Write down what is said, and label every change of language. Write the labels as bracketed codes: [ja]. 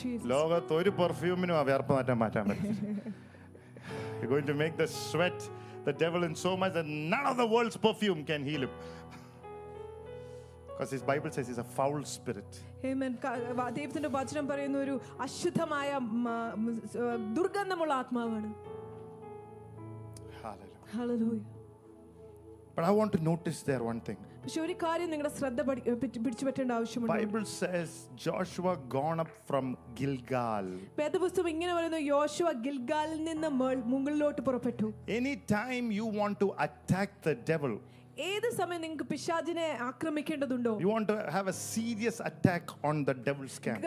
[ml] ലോകത്ത് ഒരു പെർഫ്യൂമിനും വിയർപ്പ് മാറ്റാൻ പറ്റും. [en] You're going to make the sweat the devil in so much that none of the world's perfume can heal him. Because his Bible says he's a foul spirit. Amen. [ml] ദൈവത്തിന്റെ വചനം പറയുന്ന ഒരു അശുദ്ധമായ ദുർഗന്ധമുള്ള ആത്മാവാണ്. [en] Hallelujah. Hallelujah. But I want to notice there one thing. [ml] ഒരു കാര്യം നിങ്ങളുടെ ശ്രദ്ധ പിടിച്ചു പറ്റേണ്ട ആവശ്യമുണ്ട്. [en] Bible says Joshua gone up from Gilgal. [ml] പേദവസ്തു ഇങ്ങനെ പറയുന്നു, യോശുവ ഗിൽഗാലിൽ നിന്ന് മുകളിലോട്ട് പുറപ്പെട്ടു. [en] Any time you want to attack the devil, [ml] ഏത് സമയം നിങ്ങൾക്ക് പിശാചിനെ ആക്രമിക്കേണ്ടതുണ്ടോ? [en] You want to have a serious attack on the devil's camp.